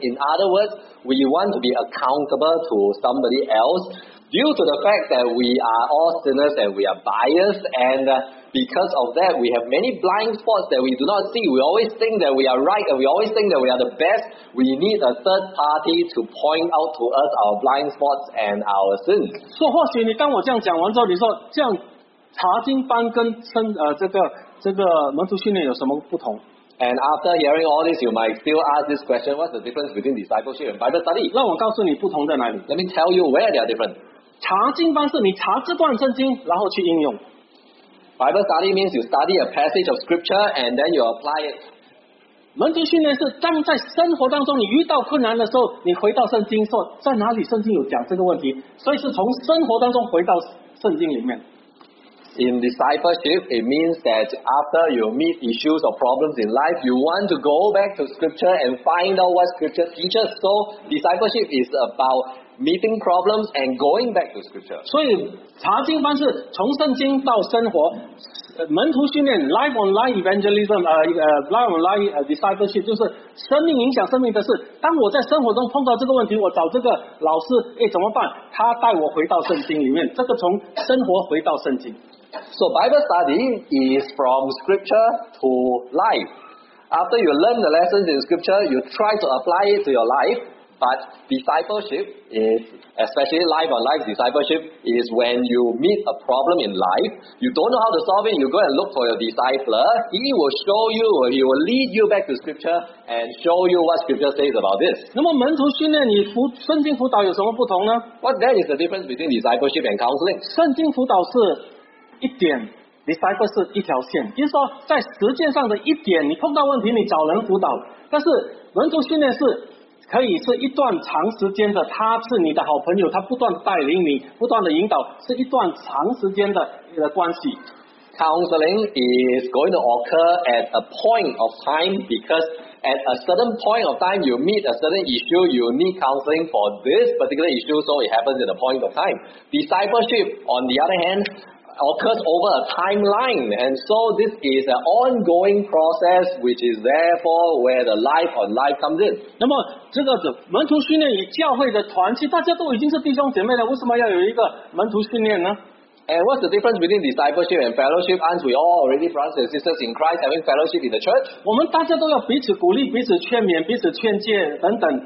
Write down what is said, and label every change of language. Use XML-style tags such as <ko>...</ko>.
<en>In other words, we want to be accountable to somebody else due to the fact that we are all sinners and we are biased and. Because of that, we have many blind spots that we do not see. We always think that we are right and we always think that we are the best. We need a third party to point out to us our blind spots and our sins.</en> <zh>So, 或许你当我这样讲完之后，你说这样查经班跟这个门徒训练有什么不同？</zh> <en>And after hearing all this, you might still ask this question, what's the difference between discipleship and Bible study?</en> <zh>让我告诉你不同在哪里。</zh> <en>Let me tell you where they are different.</en> <zh>查经班是你查这段圣经，然后去应用。</zh> <en>Bible study means you study a passage of scripture and then you apply it.</en> <zh>门徒训练是当在生活当中你遇到困难的时候，你回到圣经说在哪里圣经有讲这个问题，所以是从生活当中回到圣经里面。</zh> <en>In discipleship, it means that after you meet issues or problems in life, you want to go back to scripture and find out what scripture teaches. So discipleship is about meeting problems and going back to scripture.</en> <zh>所以查经班是从圣经到生活，门徒训练 ，</zh> <en>life on life evangelism， life on life discipleship，</en> <zh>就是生命影响生命的事。当我在生活中碰到这个问题，我找这个老师，哎，怎么办？他带我回到圣经里面，这个从生活回到圣经。</zh> <en>So Bible study is from scripture to life. After you learn the lessons in scripture, you try to apply it to your life. But discipleship is, especially life on life discipleship, is when you meet a problem in life, you don't know how to solve it, you go and look for your discipler, he will show you, he will lead you back to scripture and show you what scripture says about this.</en> <zh>那么门徒训练与圣经辅导有什么不同呢？</zh> <en>What then is the difference between discipleship and counseling?</en> <zh>圣经辅导是一点，disciple 是一条线，就是说在实践上的一点，你碰到问题你找人辅导，但是门徒训练是可以是一段长时间的，他是你的好朋友，他不断带领你，不断的引导，是一段长时间的关系。</zh> <en>Counseling is going to occur at a point of time because at a certain point of time you meet a certain issue, you need counseling for this particular issue, so it happens at a point of time. Discipleship, on the other hand, occurs over a timeline, and so this is an ongoing process, which is therefore where the life on life comes in.</en> <zh>那么这个门徒训练与教会的团契，大家都已经是弟兄姐妹了，为什么要有一个门徒训练呢？</zh> <en>And what's the difference between discipleship and fellowship? Aren't we all already brothers and sisters in Christ, having fellowship in the church?</en> <zh>我们大家都要彼此鼓励，彼此劝勉，彼此劝诫等等。</zh>